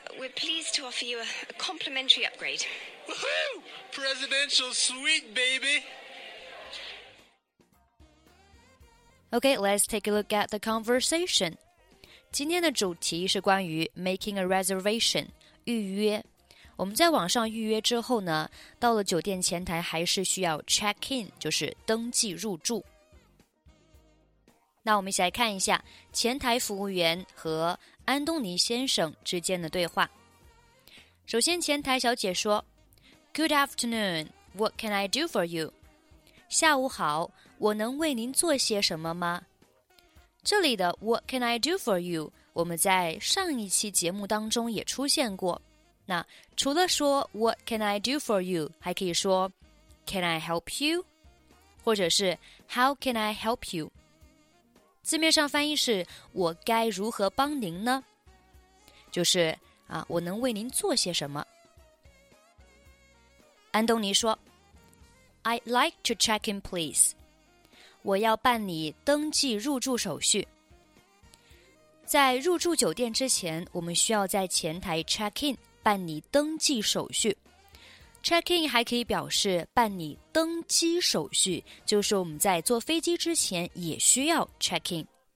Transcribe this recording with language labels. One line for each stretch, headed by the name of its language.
English: We're pleased to offer you a complimentary upgrade. Woohoo! Presidential suite, baby! Okay, let's take a look at the conversation.
Chinese: 今天的主题是关于
English: making a reservation,
Chinese: 预约。我们在网上预约之后呢，到了酒店前台还是需要 check in, 就是登记入住。那我们一起来看一下前台服务员和安东尼先生之间的对话。首先前台小姐说
English: Good afternoon, what can I do for you?
Chinese: 下午好，我能为您做些什么吗？这里的
English: what can I do for you?
Chinese: 我们在上一期节目当中也出现过。那除了说
English: what can I do for you?
Chinese: 还可以说
English: can I help you?
Chinese: 或者是
English: how can I help you?
Chinese: 字面上翻译是我该如何帮您呢就是啊，我能为您做些什么安东尼说
English: I'd like to check in please
Chinese: 我要办理登记入住手续在入住酒店之前我们需要在前台 check in 办理登记手续 check in 还可以表示办理登机手续就是我们在坐飞机之前也需要 check in